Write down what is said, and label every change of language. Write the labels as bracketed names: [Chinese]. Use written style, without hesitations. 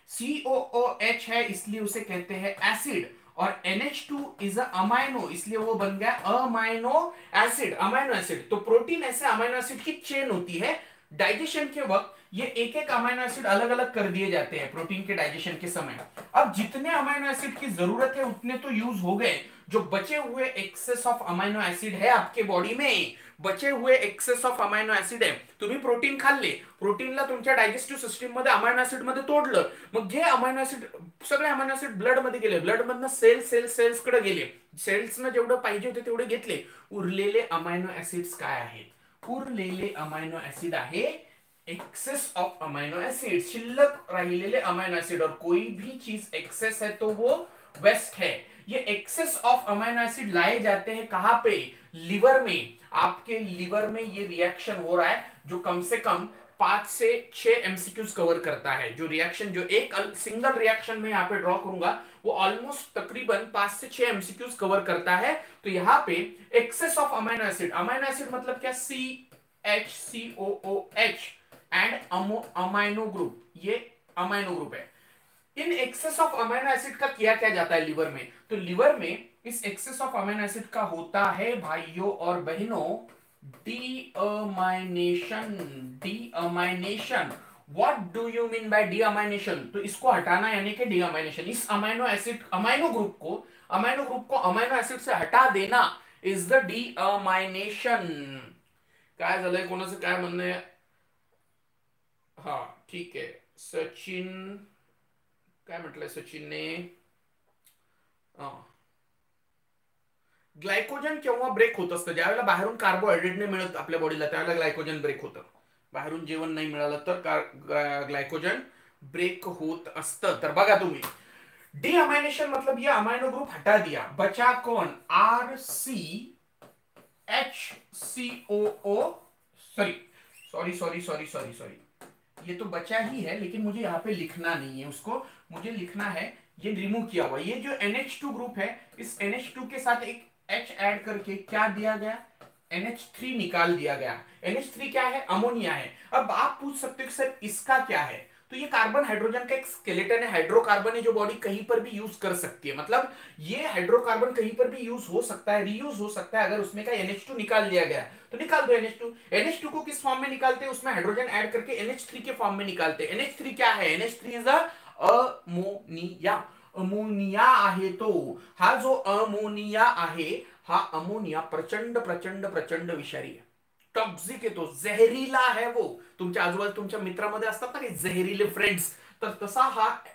[Hindi] COOH है इसलिए उसे कहते हैं एसिड, और NH2 इज अमाइनो इसलिए वो बन गया अमाइनो एसिड, अमाइनो एसिड. तो प्रोटीन ऐसे अमाइनो एसिड की चेन होती है. डाइजेशन के वक्त ये एक-एक अमाइनो एसिड अलग-अलग कर दिए जाते हैं प्रोटीन के डाइजेशन के समय. अब जितने अमाइनो एसिड की जरूरत है उतने तो यूज हो गए, जो बचे हुए एक्सेस ऑफ अमाइनो एसिड है [Marathi] आपके बॉडी में, बचे हुए एक्सेस ऑफ अमाइनो एसिड है, तुम्ही प्रोटीन खाल्ले, प्रोटीनला तुमच्या डायजेस्टिव्ह सिस्टीम मध्ये अमाइनो एसिड मध्ये तोडलं, मग जे अमाइनो एसिड सगळे अमाइनो एसिड ब्लड मध्ये गेले, ब्लड मधून सेल सेल सेल्स कडे गेले, सेल्स ना जेवढं पाहिजे होते तेवढे घेतले, उरलेले अमाइनो एसिड्स काय आहेत? उरलेले अमाइनो एसिड आहे एक्सेस ऑफ अमाइनो एसिड, शिल्लक राहिलेले अमाइनो एसिड. [Hindi] और कोई भी चीज एक्सेस है तो वो वेस्ट है. ये एक्सेस ऑफ अमाइनो एसिड लाए जाते हैं कहाँ पे? लिवर में. आपके लिवर में ये रिएक्शन हो रहा है जो कम से कम 5 से 6 MCQs कवर करता है. जो रिएक्शन, जो एक सिंगल रिएक्शन में यहाँ पे ड्रॉ करूंगा वो ऑलमोस्ट तकरीबन 5 से 6 MCQs कवर करता है. तो यहाँ पे एक्सेस ऑफ अमाइनो एसिड मतलब क्या? CHCOOH एंड अमाइनो ग्रुप, ये अमाइनो ग्रुप है. In excess of amino acid का किया क्या जाता है लिवर में? तो लिवर में इस एक्सेस ऑफ अमाइनो एसिड का होता है भाइयों और बहनों डीअमाइनेशन. [English] Deamination, what do you mean by deamination? [Hindi] तो इसको हटाना यानी कि डीअमाइनेशन, इस अमाइनो एसिड अमाइनो ग्रुप को अमाइनो एसिड से हटा देना इज द डीअमाइनेशन. [Marathi] काय झालंय, कोणाचं काय म्हणणं आहे? [Hindi] हाँ ठीक है, [Marathi] सचिन काय म्हटलंय? सचिन ने ग्लायकोजन केव्हा ब्रेक होत असतं? ज्यावेळेला बाहेरून कार्बोहायड्रेट नाही मिळत आपल्या बॉडीला त्यावेळेला ग्लायकोजन ब्रेक होतं. बाहेरून जेवण नाही मिळालं तर ग्लायकोजन ब्रेक होत असतं. तर बघा तुम्ही, [Hindi] डी अमाइनेशन मतलब ये अमाइनो ग्रुप हटा दिया, बचा कौन, आर सी एच सी ओ, sorry sorry sorry sorry sorry sorry, ये तो बचा ही है लेकिन मुझे यहाँ पे लिखना नहीं है उसको, मुझे लिखना है ये रिमूव किया हुआ, ये जो एनएच टू ग्रुप है इस एनएच टू के साथ एक एच ऐड करके क्या दिया गया, एनएच थ्री निकाल दिया गया। एनएच थ्री क्या है, अमोनिया है। अब आप पूछ सकते हो सर इसका क्या है, तो ये कार्बन हाइड्रोजन का एक स्केलेटन है, हाइड्रोकार्बन है जो बॉडी कहीं पर भी यूज कर सकती है, मतलब ये हाइड्रोकार्बन कहीं पर भी यूज हो सकता है, रीयूज हो सकता है, अगर उसमें का NH2 निकाल दिया गया तो निकाल दो NH2। NH2 को किस फॉर्म में निकालते हैं, उसमें हाइड्रोजन ऐड करके NH3 के फॉर्म में निकालते हैं। NH3 क्या है, [English] NH3 is a ammonia, [Marathi] ammonia आहे तो हा जो अमोनिया आहे हा अमोनिया प्रचंड प्रचंड प्रचंड विषारी है, [Hindi] टॉक्सिक है, तो जहरीला है वो, [Marathi] तुमच्या आजूबाजू तुमच्या मित्रांमध्ये असतात ना जहरीले फ्रेंड्स, तर तसा हा